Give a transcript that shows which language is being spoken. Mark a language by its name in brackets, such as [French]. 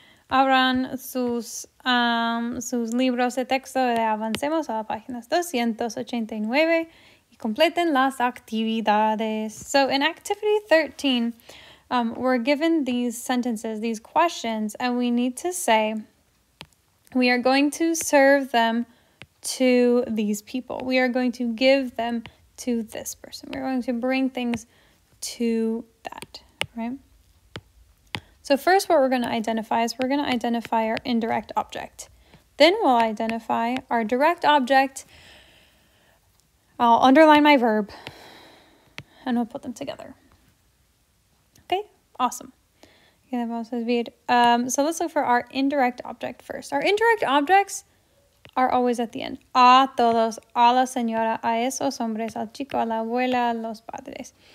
[Spanish] Abran sus libros de texto de avancemos a páginas 289 y completen las actividades. [English] So in activity 13, we're given these sentences, these questions, and we need to say we are going to serve them to these people. We are going to give them to this person. We're going to bring things to that, right? So first what we're going to identify is we're going to identify our indirect object. Then we'll identify our direct object. I'll underline my verb and we'll put them together. Okay, awesome. So let's look for our indirect object first. Our indirect objects are always at the end. [Spanish] A todos, a la señora, a esos hombres, al chico, a la abuela, a los padres.